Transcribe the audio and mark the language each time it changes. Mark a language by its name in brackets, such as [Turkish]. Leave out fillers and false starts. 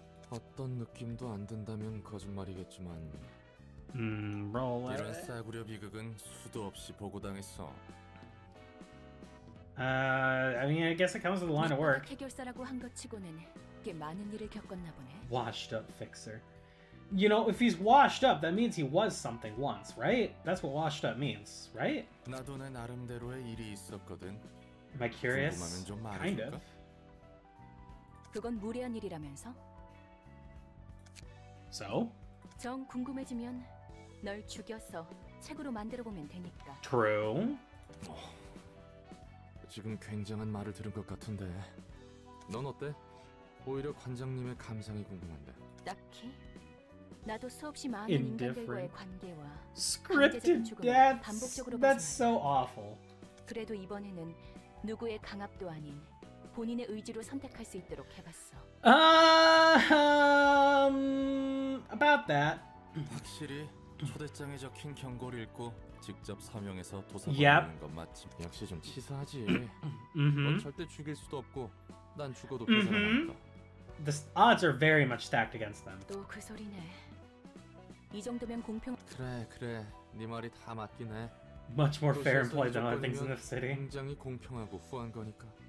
[Korean] 어떤 느낌도 안 든다면 거짓말이겠지만 [English] Roll it. [Korean] 이런 싸구려 비극은 수도 없이 보고 당했어. [English] I guess it comes with a line of work. [Korean] 해결사라고 한 것 치고는 꽤 많은 일을 겪었나 보네. [English] Washed up fixer. You know, if he's washed up, that means he was something once, right? That's what washed up means, right? [Korean] 나도 내 나름대로의 일이 있었거든. [English] Am I curious? Kind of. [Korean] 그건 무례한 일이라면서? [English] So? [Korean] 정 궁금해지면 널 죽여서 책으로 만들어 보면 되니까. [English] True. [Korean] 지금 굉장한 말을 들은 것 같은데. 넌 어때? 오히려 관장님의 감상이 궁금한데. 딱히. 나도 수없이 많은 인간들과의 관계와 [English] scripted death [Korean] 반복적으로 [English] That's so awful. [Korean] 그래도 이번에는 누구의 강압도 아닌 본인의 의지로 선택할 수 있도록 해 봤어. [English] About that. [Korean] 확실히 초대장에 적힌 경고를 읽고 직접 사명해서 도사받는 건 맞지. 역시 좀 치사하지. 넌 절대 죽일 수도 없고 난 죽어도 괜찮을까. [English] The odds are very much stacked against them. [Korean] 또 그 소리네. 이 정도면 공평. 그래 그래. 네 말이 다 맞긴 해. [English] Much more fair and play than other things in the city. [Korean] 굉장히 공평하고 후한 거니까.